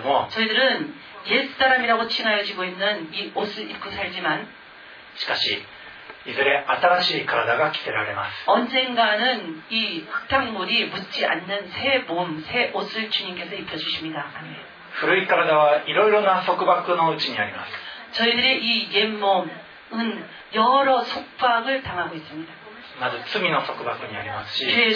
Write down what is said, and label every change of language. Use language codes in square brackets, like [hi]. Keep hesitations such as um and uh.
[ko] 저희들은 옛 사람이라고 칭하여지고 있는 이 옷을 입고 살지만, [ja] しかし,いずれ新しい体が着せられます. [ko] 언젠가는 이 흙탕물이 묻지 않는 새 몸, 새 옷을 주님께서 입혀주십니다. [ja] 古い体はいろいろな束縛のうちにあります. [ko] 저희들의 이 옛 몸은 여러 束縛을 당하고 있습니다. [ja] まず罪の束縛にありますし, [ko] 죄의